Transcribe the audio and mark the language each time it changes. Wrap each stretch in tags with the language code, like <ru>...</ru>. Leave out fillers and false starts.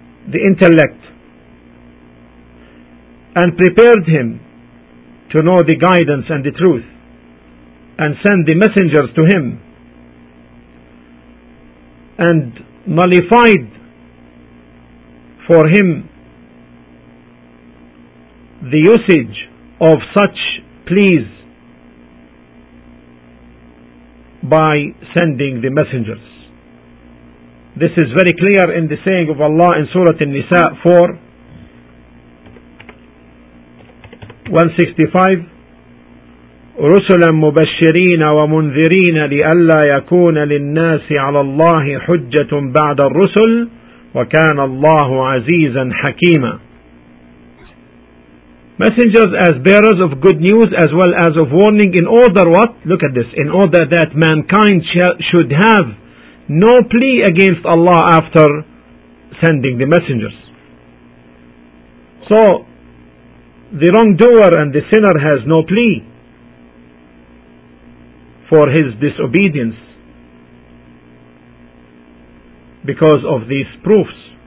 <en>the intellect and prepared him to know the guidance and the truth and send the messengers to him and nullified for him the usage of such pleas by sending the messengers. This is very clear in the saying of Allah in Surah An-Nisa 4:165,</en> <ar>رُسُلًا مُبَشِّرِينَ وَمُنذِرِينَ لِأَلَّا يَكُونَ لِلنَّاسِ عَلَى اللَّهِ حُجَّةٌ بَعْدَ الرُّسُلِ وَكَانَ اللَّهُ عَزِيزًا حَكِيمًا.</ar> <en>Messengers as bearers of good news as well as of warning, in order what? Look at this. In order that mankind should have no plea against Allah after sending the messengers. So, the wrongdoer and the sinner has no plea for his disobedience because of these proofs.</en>